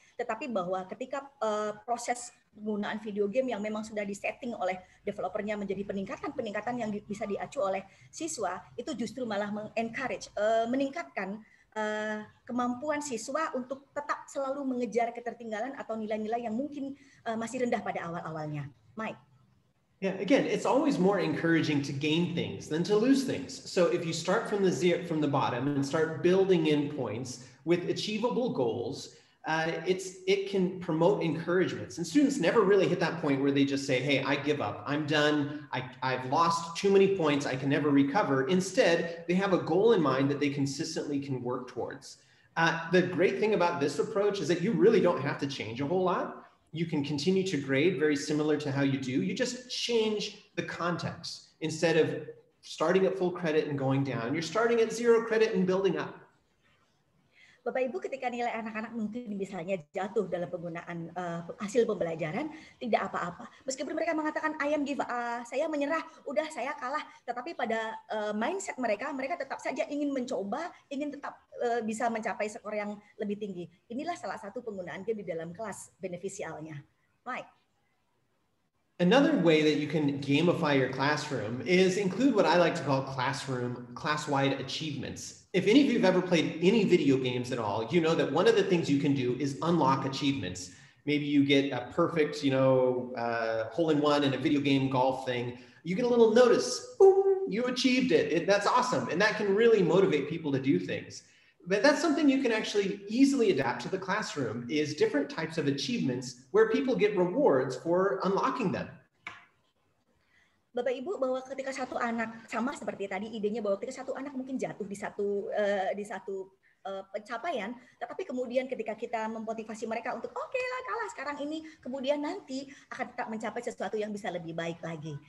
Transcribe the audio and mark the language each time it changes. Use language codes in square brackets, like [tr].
[id] Tetapi bahwa ketika proses penggunaan video game yang memang sudah disetting oleh developernya menjadi peningkatan-peningkatan yang bisa diacu oleh siswa, itu justru malah meng-encourage, meningkatkan kemampuan siswa untuk tetap selalu mengejar ketertinggalan atau nilai-nilai yang mungkin masih rendah pada awal-awalnya. Mike. [en] Yeah, again, it's always more encouraging to gain things than to lose things. So if you start from the bottom and start building in points with achievable goals, it can promote encouragement. And students never really hit that point where they just say, hey, I give up. I'm done. I've lost too many points. I can never recover. Instead, they have a goal in mind that they consistently can work towards. The great thing about this approach is that you really don't have to change a whole lot. You can continue to grade very similar to how you do. You just change the context. Instead of starting at full credit and going down, you're starting at zero credit and building up. [id] Bapak Ibu, ketika nilai anak-anak mungkin misalnya jatuh dalam penggunaan hasil pembelajaran, tidak apa-apa. Meskipun mereka mengatakan, [en] I am give up, [id] saya menyerah, udah saya kalah. Tetapi pada mindset mereka tetap saja ingin mencoba, ingin tetap bisa mencapai skor yang lebih tinggi. Inilah salah satu penggunaan game di dalam kelas beneficialnya. Mike. [en] Another way that you can gamify your classroom is include what I like to call class-wide achievements. If any of you have ever played any video games at all, you know that one of the things you can do is unlock achievements. Maybe you get a perfect, hole-in-one in a video game golf thing. You get a little notice, boom, you achieved it. That's awesome. And that can really motivate people to do things. But that's something you can actually easily adapt to the classroom, is different types of achievements where people get rewards for unlocking them. [id] Bapak Ibu, bahwa ketika satu anak, sama seperti tadi idenya, bahwa ketika satu anak mungkin jatuh di satu pencapaian, tetapi kemudian ketika kita memotivasi mereka untuk okay lah kalah sekarang ini, kemudian nanti akan tetap mencapai sesuatu yang bisa lebih baik lagi.